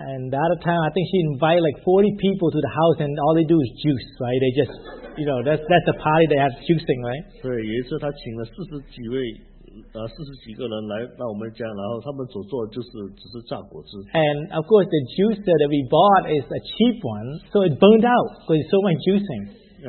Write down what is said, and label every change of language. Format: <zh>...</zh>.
<en>And the other time, I think she invited like 40 people to the house, and all they do is juice, right? They just, you know, that's the party they have juicing, right?</en> <zh>对，有一次她请了四十几个人来到我们家，然后他们所做的就是只是榨果汁。</zh> <en>And of course, the juicer that we bought is a cheap one, so it burned out because it's so much juicing.</en>